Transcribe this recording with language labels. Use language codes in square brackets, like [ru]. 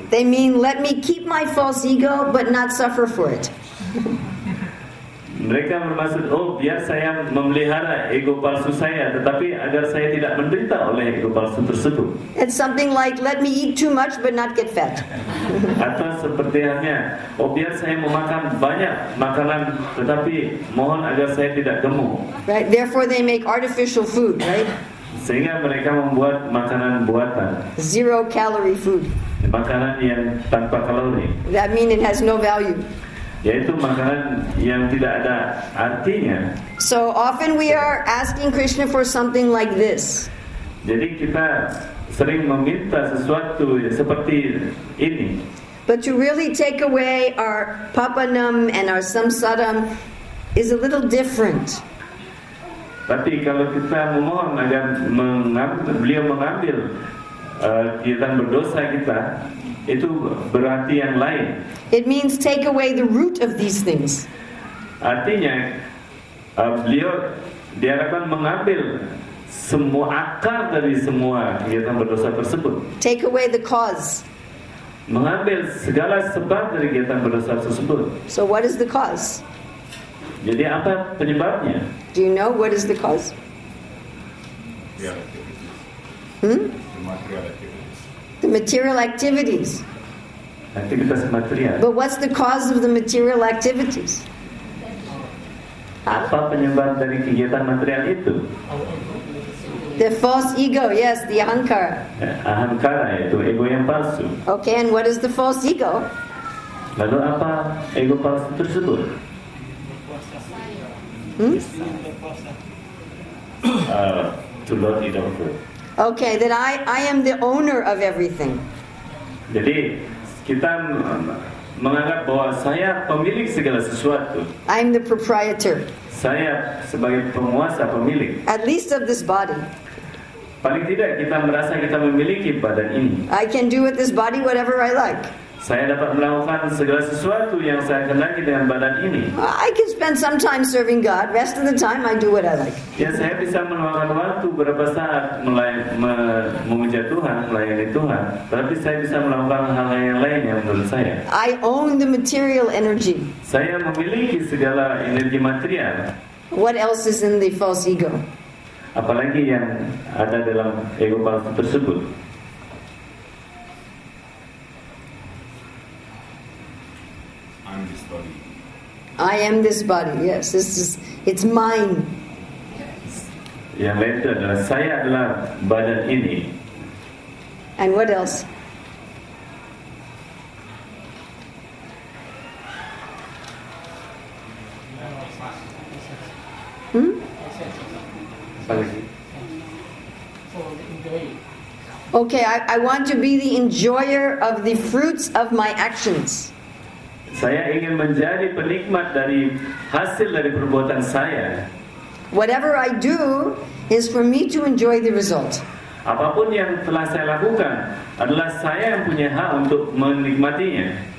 [en] They mean let me keep my false ego but not suffer for it. [id] Mereka bermaksud, oh biar saya memelihara ego palsu saya, tetapi agar saya tidak menderita oleh ego palsu tersebut. [en] It's something like let me eat too much but not get fat. [id] Atau seperti halnya, oh biar saya memakan banyak makanan, tetapi mohon agar saya tidak gemuk. [en] Right, therefore they make artificial food, right? [id] Sehingga mereka membuat makanan buatan. [en] Zero calorie food. [id] Makanan yang tanpa kalori. [en] That means it has no value. [id] Yaitu makanan yang tidak ada artinya. [en] So often we are asking Krishna for something like this. [id] Jadi kita sering meminta sesuatu seperti ini. [en] But to really take away our papanam and our samsaram is a little different. [id] Tapi kalau kita memohon agar beliau mengambil kegiatan berdosa kita, itu berarti yang lain. [en] It means take away the root of these things. [id] Artinya, beliau diharapkan mengambil semua akar dari semua kegiatan berdosa tersebut. [en] Take away the cause. [id] Mengambil segala sebab dari kegiatan berdosa tersebut. [en] So what is the cause? [id] Jadi apa penyebabnya? [en] Do you know what is the cause? The material activities. [id] Aktivitas material. [en] But what's the cause of the material activities? [id] Apa penyebab dari kegiatan material itu? [en] The false ego, yes, the ahankara. [id] Ahankara itu ego yang palsu. [en] Okay, and what is the false ego? [id] Lalu apa ego palsu tersebut? [en] To not eat off. Okay, that I am the owner of everything. [id] Jadi kita menganggap bahwa saya pemilik segala sesuatu. [en] I'm the proprietor. [id] Saya sebagai penguasa pemilik. [en] At least of this body. [id] Paling tidak kita merasa kita memiliki badan ini. [en] I can do with this body whatever I like. [id] Saya dapat melakukan segala sesuatu yang saya kehendaki dengan badan ini. [en] I can spend some time serving God. Rest of the time, I do what I like. [id] Ya, saya bisa meluangkan waktu beberapa saat memuja Tuhan, melayani Tuhan. Tapi saya bisa melakukan hal-hal yang lain yang menurut saya. [en] I own the material energy. [id] Saya memiliki segala energi material. [en] What else is in the false ego? [id] Apalagi yang ada dalam ego palsu tersebut? [en] I am this body. Yes, this is it's mine. [id] Yang lain itu adalah saya adalah badan ini. [en] And what else? [id] Apa lagi? [en] Okay, I want to be the enjoyer of the fruits of my actions. [id] Saya ingin menjadi penikmat dari hasil dari perbuatan saya. [en] Whatever I do is for me to enjoy the result. [id] Apapun yang telah saya lakukan adalah saya yang punya hak untuk menikmatinya.